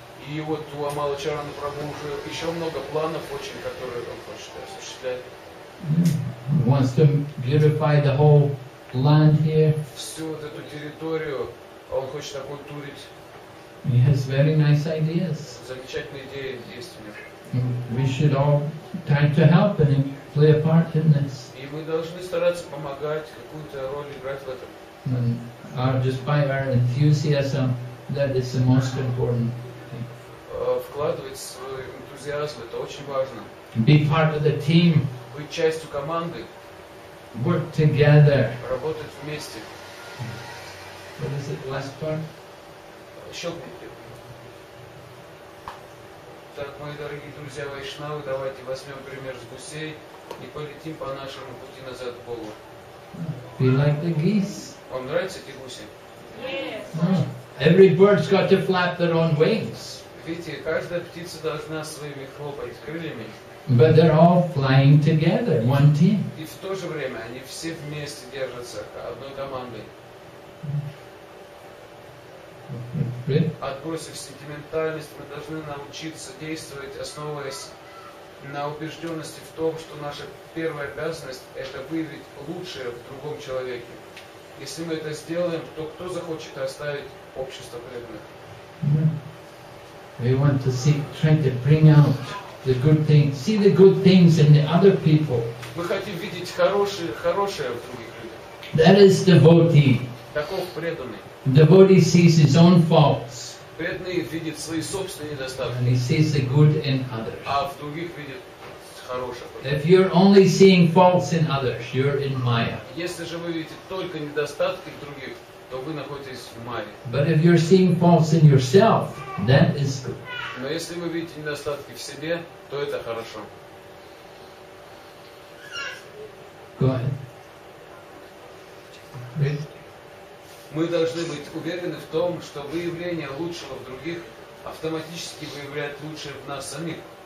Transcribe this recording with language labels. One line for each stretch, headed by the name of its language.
Russian: И вот у Амалачараны Прабху уже еще много планов, очень, которые он хочет осуществлять.
English: Wants to beautify the whole land here.
Russian: Всю вот эту территорию он хочет окультурить.
English: He has very nice ideas.
Russian: Замечательные идеи есть у него.
English: We should all try to help and play a part in this.
Russian: И мы должны стараться помогать, какую-то роль играть в этом.
English: And our, just by our enthusiasm, that is the most important thing.
Russian: Вкладывать свой энтузиазм, это очень важно.
English: Be part of the team.
Russian: Быть частью команды.
English: Work together.
Russian: Работать вместе.
English: What is it, last part?
Russian: Щелкните. Так, мои дорогие друзья вайшнавы, давайте возьмем пример с гусей и полетим по нашему пути назад к Богу.
English: Be like the geese.
Russian: Вам нравятся эти гуси?
English: Yes. Oh. Every bird's got to flap their own wings.
Russian: Видите, каждая птица должна своими хлопать крыльями.
English: But they're all flying together, one team.
Russian: И в то же время они все вместе держатся одной командой. Отбросив сентиментальность, мы должны научиться действовать, основываясь на убежденности в том, что наша первая обязанность – это выявить лучшее в другом человеке. Если мы это сделаем, то кто захочет оставить общество преданных?
English: We want to see, try to bring out the good things, see the good things in the other people.
Russian: Мы хотим видеть хорошее, хорошее в других людях.
English: That is devotee.
Russian: Таков преданный.
English: Devotee sees his own faults.
Russian: Преданный видит свои собственные недостатки.
English: And he sees the good in others.
Russian: А в других видит хорошее.
English: If you're only seeing faults in others, you're in Maya.
Russian: Если же вы видите только недостатки в других, то вы находитесь в Майе.
English: But if you're seeing faults in yourself, that is good.
Russian: Но если вы видите недостатки в себе, то это хорошо.
English: Go ahead. Read.
Russian: Мы должны быть уверены в том, что выявление лучшего в других автоматически выявляет лучшее в нас самих.